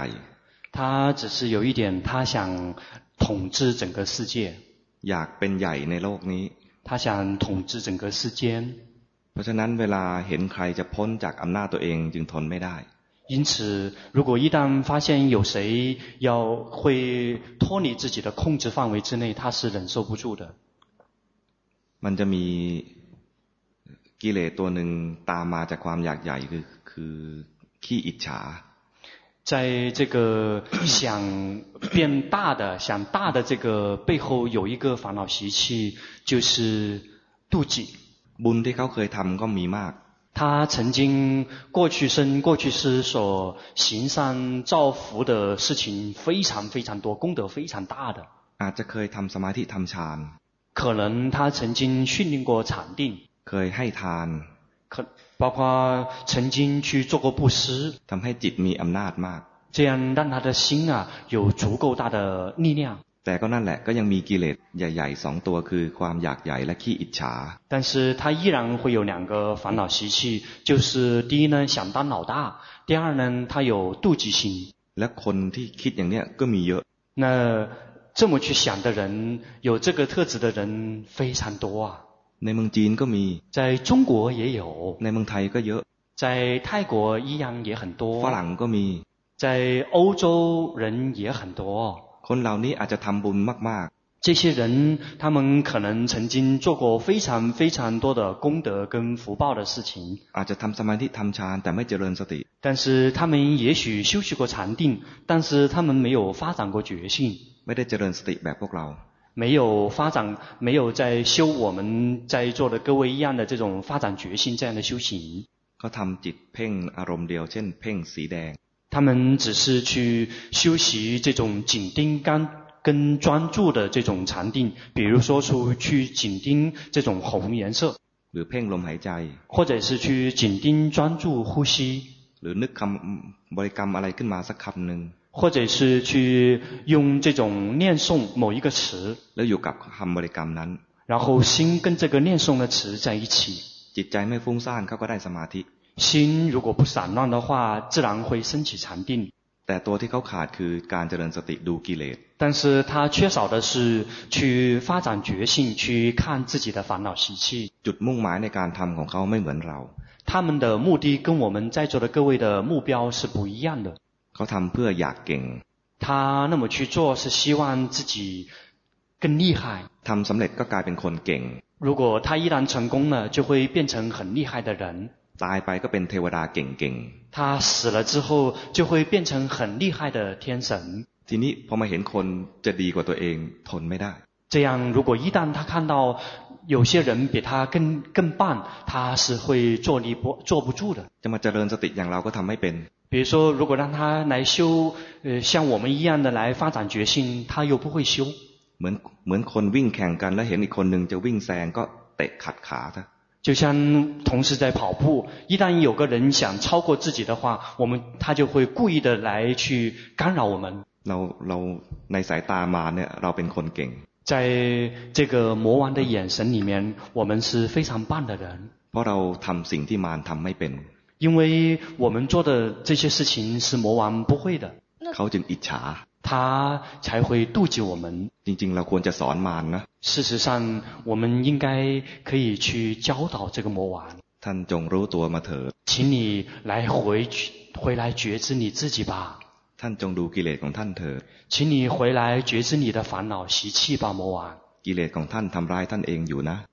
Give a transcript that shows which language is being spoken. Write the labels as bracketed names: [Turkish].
[Chinese] 他只是有一点他想统治整个世界 [Thai] อยากเป็นใหญ่ในโลกนี้ [Chinese] 他想统治整个世间 [Thai] เพราะฉะนั้นเวลาเห็นใครจะพ้นจากอำนาจตัวเองจึงทนไม่ได้ [Chinese] 因此如果一旦发现有谁要会脱离自己的控制范围之内他是忍受不住的 [Thai] มันจะมีกิเลสตัวหนึ่งตามมาจากความอยากใหญ่คือขี้อิจฉา [Chinese] 在这个想变大的想大的这个背后有一个烦恼习气，就是妒忌。 [Thai] บุญที่เขาเคยทำก็มีมาก。 [Chinese] 他曾经过去生过去世所行善造福的事情非常非常多，功德非常大的。 [Thai] อาจจะเคยทำสมาธิทำฌาน。 [Chinese] 可能他曾经训练过禅定。 [Thai] เคยให้ทาน。 [Chinese] 可包括曾经去做过布施。 [Thai] ทำให้จิตมีอำนาจมาก。 [Chinese] 这样让他的心啊有足够大的力量。 [Thai] แต่ก็นั่นแหละก็ยังมีกิเลสใหญ่ๆสองตัวคือความอยากใหญ่และขี้อิจฉา [Chinese] 但是他依然会有两个烦恼习气，就是第一呢想当老大，第二呢他有妒忌心。 [Thai] และคนที่คิดอย่างเนี้ยก็มีเยอะ [Chinese] 那这么去想的人，有这个特质的人非常多啊。 [Thai] ในเมืองจีนก็มี [Chinese] 在中国也有。 [Thai] ในเมืองไทยก็เยอะ [Chinese] 在泰国一样也很多。 [Thai] ฝรั่งก็มี [Chinese] 在欧洲人也很多。 [Thai] คนเหล่านี้อาจจะทำบุญมาก [Chinese] ๆ这些人他们可能曾经做过非常非常多的功德跟福报的事情 [Thai] อาจจะทำสมาธิทำฌานแต่ไม่เจริญสติ [Chinese] 但是他们也许修习过禅定但是他们没有发展过觉性 [Thai] ไม่ได้เจริญสติแบบพวกเรา [Chinese] 没有发展没有在修我们在座的各位一样的这种发展觉性这样的修行 [Thai] ก็ทำจิตเพ่งอารมณ์เดียวเช่นเพ่งสีแดง [Chinese] 他们只是去修习这种紧盯干跟专注的这种禅定，比如说出去紧盯这种红颜色， [Thai] หรือเพ่งลมหายใจ， [Chinese] 或者是去紧盯专注呼吸， [Thai] หรือนึกคำบริกรรมอะไรขึ้นมาสักคำหนึ่ง， [Chinese] 或者是去用这种念诵某一个词， [Thai] แล้วอยู่กับคำบริกรรมนั้น， [Chinese] 然后心跟这个念诵的词在一起， [Thai] จิตใจไม่ฟุ้งซ่านเขาก็ได้สมาธิ。 [Chinese] 心如果不散乱的话，自然会升起禅定。 [Thai] แต่ตัวที่เขาขาดคือการเจริญสติดูกิเลส。 [Chinese] 但是他缺少的是去发展觉性，去看自己的烦恼习气。 [Thai] จุดมุ่งหมายในการทำของเขาไม่เหมือนเรา。 [Chinese] 他们的目的跟我们在座的各位的目标是不一样的。 [Thai] เขาทำเพื่ออยากเก่ง。 [Chinese] 他那么去做是希望自己更厉害。 [Thai] ทำสำเร็จก็กลายเป็นคนเก่ง。 [Chinese] 如果他一旦成功了，就会变成很厉害的人。 [Thai] ตายไปก็เป็นเทวดาเก่ง [Chinese] ๆ他死了之后就会变成很厉害的天神 [Thai] ทีนี้พอมาเห็นคนจะดีกว่าตัวเองทนไม่ได้ [Chinese] 这样如果一旦他看到有些人比他更棒他是会坐不住的 [Thai] จะมาเจริญสติอย่างเราก็ทำไม่เป็น [Chinese] 比如说如果让他来修像我们一样的来发展觉性他又不会修 [Thai] เหมือนคนวิ่งแข่งกันแล้วเห็นอีกคนหนึ่งจะวิ่งแซงก็เตะขัดขาซะ [Chinese] 就像同事在跑步，一旦有个人想超过自己的话，他就会故意的来去干扰我们。 [Thai] เราในสายตามาเนี่ยเราเป็นคนเก่ง。 [Chinese] 在这个魔王的眼神里面，我们是非常棒的人。 [Thai] เพราะเราทำสิ่งที่มารทำไม่เป็น。 [Chinese] 因为我们做的这些事情是魔王不会的。 [Thai] เขาจึงอิจฉา。 [Chinese] 他才会妒忌我们。 [Thai] จริงๆเราควรจะสอนมารนะ。 [Chinese] 事实上，我们应该可以去教导这个魔王。 [Thai] ท่านจงรู้ตัวมาเถิด。 [Chinese] 请你来回来觉知你自己吧。 [Thai] ท่านจงดูกิเลสของท่านเถิด。 [Chinese] 请你回来觉知你的烦恼习气吧，魔王。 [Thai] กิเลสของท่านทำร้ายท่านเองอยู่นะ。